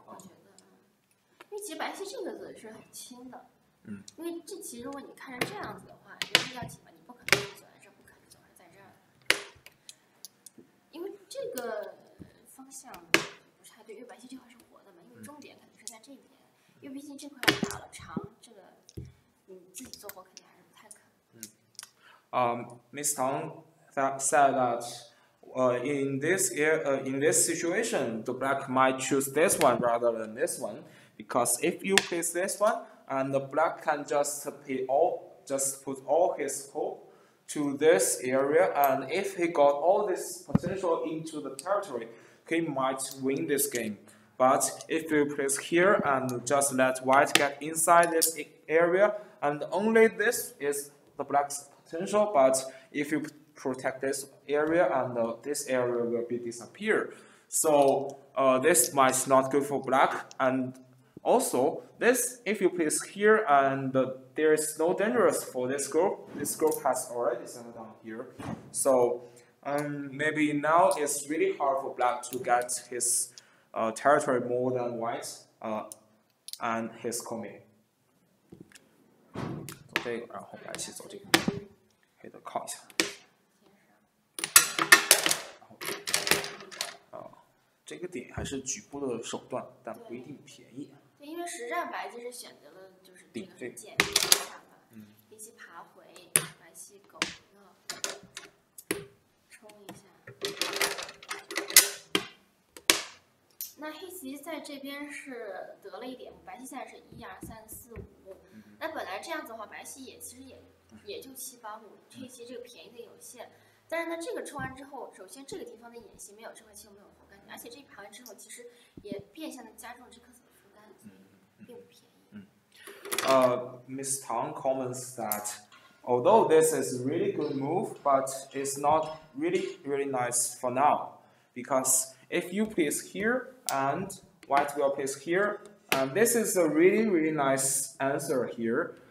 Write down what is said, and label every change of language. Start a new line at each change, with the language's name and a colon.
Chinese: 我觉得，因为其实白棋这个子是很轻的，因为这棋如果你看着这样子的话，就是要紧嘛，你不可能走在这，不可能走在这儿，因为这个方向不是太对，因为白棋这块是活的嘛，因为重点肯定是在这边。因为毕竟这块打了长，这个你自己做活肯定还是不太可能。
English: Miss Tang said that in this situation, the black might choose this one rather than this one, because if you place this one, and the black can just pay all, just put all his hope to this area, and if he got all this potential into the territory, he might win this game. But if you place here and just let white get inside this area, and only this is the black's potential, but if you protect this area, and this area will be disappear. So this might not good for black. And also, this if you place here and there is no dangerous for this group has already settled down here. So maybe now it's really hard for black to get his territory more than white, and his coming.
Chinese: 走这个，然后白棋走这个，黑的靠一下。这个点还是局部的手段，但不一定便宜。对，因为实战白棋是选择了就是顶这个简单的办法，黑棋爬回，白棋狗一个，冲一下。那黑棋在这边是得了一点，白棋现在是一二三四五。那本来这样子的话，白棋也其实也就七八五，黑棋这个便宜的有限。但是呢，这个冲完之后，首先这个地方的眼形没有这块棋没有活干净，而且这一盘完之后，其实也变相的加重这颗子的负担，所以并不便宜。
English: Miss Tang comments that although this is really good move, but it's not really really nice for now, because if you place here and white will place here, and this is a really really nice answer here.